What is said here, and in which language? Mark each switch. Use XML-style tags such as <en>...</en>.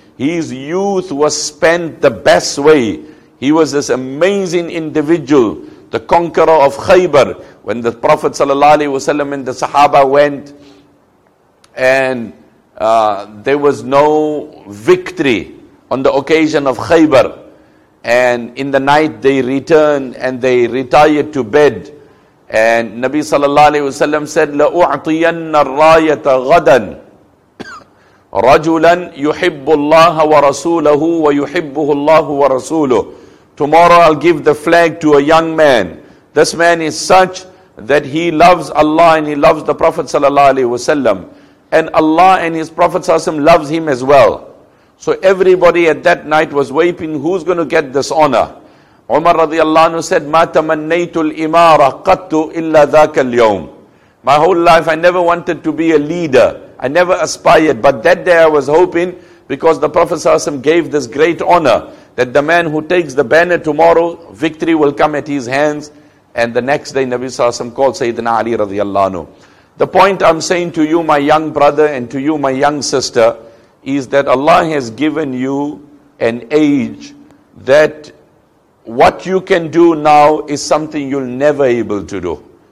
<en>His youth was spent the best way. He was this amazing individual, the conqueror of Khaybar. When the Prophet sallallahu alaihi wasallam and the Sahaba went, and there was no victory on the occasion of Khaybar, and in the night they returned and they retired to bed. And Nabi sallallahu alayhi wa sallam said,</en> <ar>لَأُعْطِيَنَّ الرَّايَةَ غَدًا رَجُلًا يُحِبُّ اللَّهَ وَرَسُولَهُ وَيُحِبُّهُ اللَّهُ وَرَسُولُهُ.</ar> <en>Tomorrow I'll give the flag to a young man. This man is such that he loves Allah and he loves the Prophet sallallahu alayhi wa sallam. And Allah and his Prophet sallallahu alayhi wa sallam loves him as well. So everybody at that night was waiting, who's going to get this honor?</en> <ar>Umar radiallahu anhu said, مَا تَمَنَّيْتُ الْإِمَارَ قَتُّ إِلَّا ذَاكَ الْيَوْمِ.</ar> <en>My whole life I never wanted to be a leader. I never aspired. But that day I was hoping, because the Prophet sallallahu alayhi wa sallam gave this great honor, that the man who takes the banner tomorrow, victory will come at his hands. And the next day Nabi sallallahu alayhi wa sallam called Sayyidina Ali radiallahu anhu. The point I'm saying to you, my young brother, and to you, my young sister, is that Allah has given you an age that what you can do now is something you'll never able to do.</en>